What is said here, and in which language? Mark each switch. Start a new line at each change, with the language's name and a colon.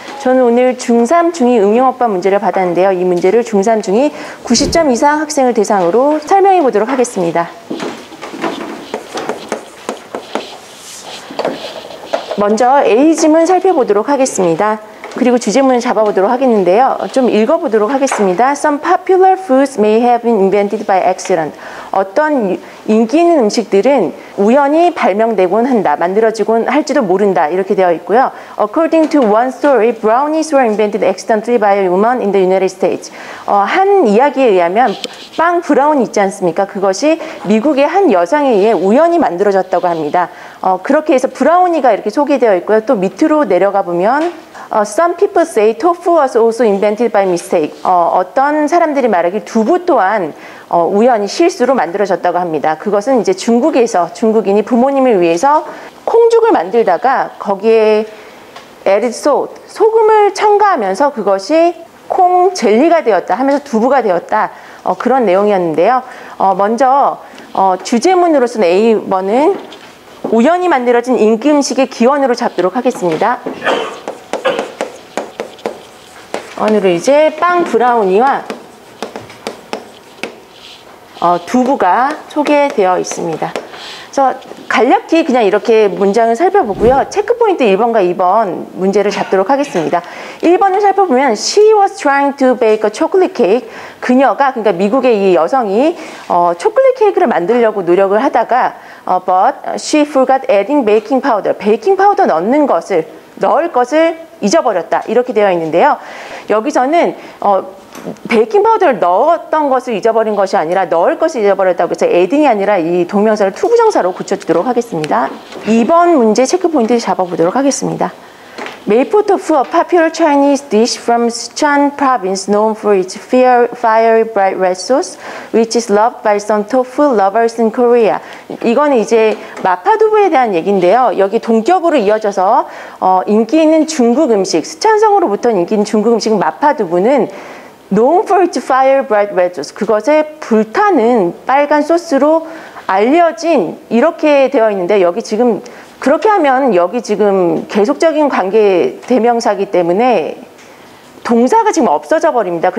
Korean: 저는 오늘 중3, 중2 응용어법 문제를 받았는데요. 이 문제를 중3, 중2 90점 이상 학생을 대상으로 설명해 보도록 하겠습니다. 먼저 에이짐을 살펴보도록 하겠습니다. 그리고 주제문을 잡아보도록 하겠는데요. 좀 읽어보도록 하겠습니다.
English: Some popular foods may have been invented by accident.
Korean: 어떤 인기 있는 음식들은 우연히 발명되곤 한다, 만들어지곤 할지도 모른다, 이렇게 되어 있고요.
English: According to one story, brownies were invented accidentally by a woman in the United States.
Korean: 한 이야기에 의하면 빵 브라운 있지 않습니까? 그것이 미국의 한 여성에 의해 우연히 만들어졌다고 합니다. 그렇게 해서 브라우니가 이렇게 소개되어 있고요. 또 밑으로 내려가 보면
English: Some people say tofu was also invented by mistake.
Korean: 어떤 사람들이 말하기 두부 또한 우연히 실수로 만들어졌다고 합니다. 그것은 이제 중국에서 중국인이 부모님을 위해서 콩죽을 만들다가 거기에
English: added salt,
Korean: 소금을 첨가하면서 그것이 콩 젤리가 되었다 하면서 두부가 되었다. 그런 내용이었는데요. 먼저 주제문으로서는 A번은 우연히 만들어진 인기 음식의 기원으로 잡도록 하겠습니다. 오늘은 이제 빵 브라우니와 두부가 소개되어 있습니다. 그래서 간략히 그냥 이렇게 문장을 살펴보고요. 체크포인트 1번과 2번 문제를 잡도록 하겠습니다. 1번을 살펴보면
English: She was trying to bake a chocolate cake.
Korean: 그녀가, 그러니까 미국의 이 여성이 초콜릿 케이크를 만들려고 노력을 하다가
English: but she forgot adding baking powder.
Korean: 베이킹 파우더 넣는 것을, 넣을 것을 잊어버렸다, 이렇게 되어 있는데요. 여기서는 베이킹 파우더를 넣었던 것을 잊어버린 것이 아니라 넣을 것을 잊어버렸다고 해서 adding이 아니라 이 동명사를 to 부정사로 고쳐주도록 하겠습니다. 2번 문제 체크포인트를 잡아보도록 하겠습니다.
English: 메이플 토프, a popular Chinese dish from Sichuan province known for its fiery bright red sauce, which is loved by some tofu lovers in Korea.
Korean: 이건 이제 마파두부에 대한 얘기인데요. 여기 동격으로 이어져서 인기 있는 중국 음식, 스촨성으로부터 인기 있는 중국 음식 마파두부는
English: known for its fiery bright red sauce,
Korean: 그것의 불타는 빨간 소스로 알려진, 이렇게 되어 있는데 여기 지금 그렇게 하면 여기 지금 계속적인 관계 대명사이기 때문에 동사가 지금 없어져 버립니다.